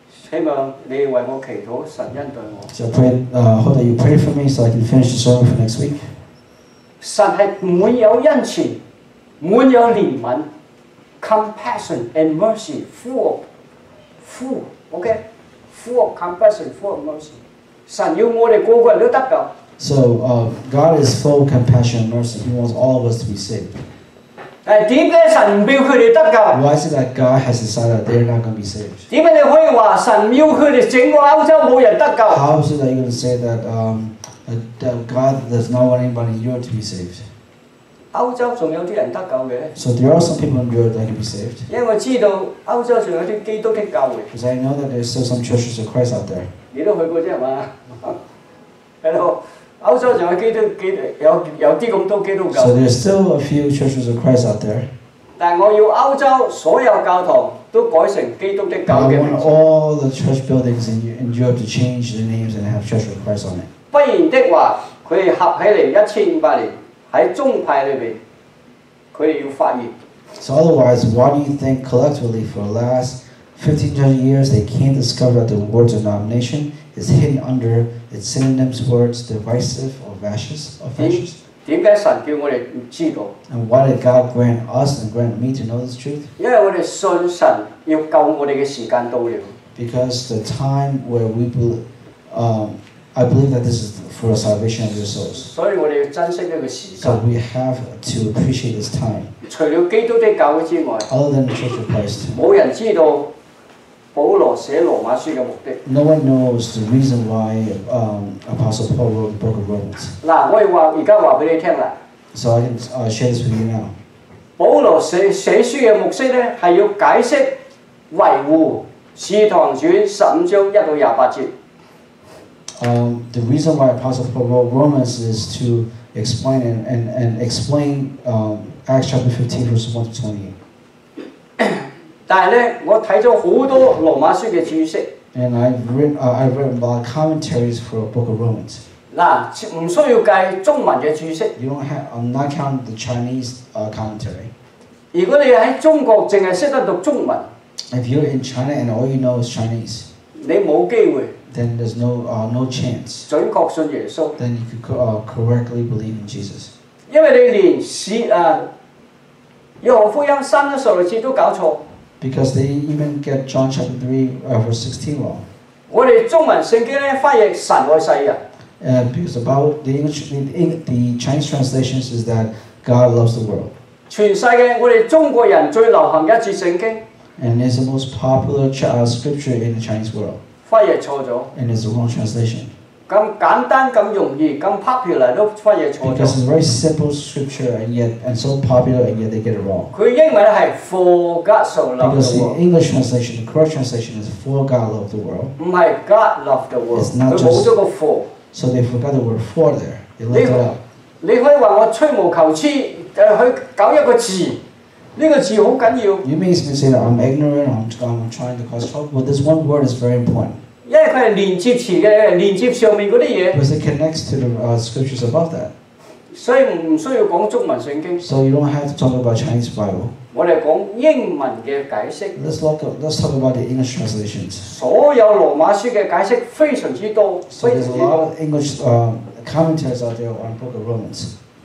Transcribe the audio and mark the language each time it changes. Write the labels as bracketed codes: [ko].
[yue] 希望你為我祈禱，神恩待我。 [en] So pray, hope that you pray for me so I can finish the sermon for next week. [yue] 神係滿有恩慈，滿有憐憫。 [en] Compassion and mercy, full, okay? Full of compassion, full of mercy. [yue] 神要我哋個個人都得救。 [en] So God is full compassion and mercy. He wants all of us to be saved. [yue] 誒點解神唔要佢哋得㗎 [en] ？Why is it that God has decided that they're not going to be saved？ [yue] 點解你可以話神要佢哋整個歐洲冇人得㗎 [en] ？How is it that you're going to say that that God does not want anybody in Europe to be saved？ [yue] 歐洲仲有啲人得救嘅。 [en] So there are some people in Europe that can be saved。 [yue] 因為我知道歐洲仲有啲基督教會。 [en] Because I know that there's still some churches of Christ out there。 [yue] 你都去過啫係嘛 ？Hello。歐洲仲有基督有啲咁多基督教。 [en] So there's still a few churches of Christ out there. [yue] 但我要歐洲所有教堂都改成基督的教嘅。 [en] I want all the church buildings in Europe to change the names and have Church of Christ on it. [yue] 不然的話，佢哋合起嚟1500年喺宗派裏邊，佢哋要發現。 [en] So otherwise, why do you think collectively for the last 1500 years they can't discover that the word denomination is hidden under its synonyms words divisive or vicious or fascist? [yue] 點解神叫我哋唔知道 [en] ？And why did God grant us and grant me to know this truth? [yue] 因為我哋信神要救我哋嘅時間到了。 [en] Because the time where we believe, I believe that this is for the salvation of your souls. [yue] 所以我哋要珍惜呢個時間。 [en] So we have to appreciate this time. [yue] 除了基督的教會之外 [en] ，other than the Church of Christ， [yue] 冇人知道。保罗写罗马书嘅目的。 [en] No one knows the reason why Apostle Paul wrote the book of Romans. [yue] 嗱，我要话而家话俾你听啦。 [en] So I can share this with you now. [yue] 保罗写书嘅目的咧，系要解释维护《使徒行传》15:1-28。 [en] The reason why Apostle Paul wrote Romans is to explain and explain Acts chapter 15:1-28. [yue] 但係咧，我睇咗好多羅馬書嘅注釋。 [en] And I've written a lot of commentaries for a book of Romans. [yue] 嗱，唔需要計中文嘅注釋。 [en] You don't have, I'm not counting the Chinese commentary. [yue] 如果你喺中國淨係識得讀中文 [en] ，If you're in China and all you know is Chinese， [yue] 你冇機會。 [en] Then there's no chance. [yue] 準確信耶穌。 [en] Then you could correctly believe in Jesus. [yue] 因為你連使約翰福音3:16都搞錯。 [en] Because they even get John chapter 3:16 wrong. [yue] 我哋中文聖經咧翻譯神愛世人。 [en] Because about the English, the Chinese translations is that God loves the world. [yue] 全世界我哋中國人最流行一節聖經。 [en] And it's the most popular scripture in the Chinese world. [yue] 翻譯錯咗。 [en] And it's the wrong translation. [yue] 咁簡單咁容易咁 popular 都翻譯錯咗。 [en] Because it's very simple scripture and so popular and yet they get it wrong. [yue] 佢英文係 [en] For God so loved the world. Because the English translation, the correct translation is For God loved the world. [yue] 唔係 [en] God loved the world. It's not just. [yue] 佢冇咗個 for. [en] So they forgot the word for there. They left it out. [yue] 你可以話我吹毛求疵，去搞一個字，呢個字好緊要。 [en] You may say that I'm ignorant, I'm trying to cause trouble, but this one word is very important. [yue] 因為佢係連接詞嘅，連接上面嗰啲嘢。 [en] Because it connects to the scriptures above that. [yue] 所以唔需要講中文聖經。 [en] So you don't have to talk about Chinese Bible. [yue] 我哋講英文嘅解釋。 [en] Let's talk about the English translations. [yue] 所有羅馬書嘅解釋非常之多。 [en] So there's a lot of English commentaries out there on the Book of Romans.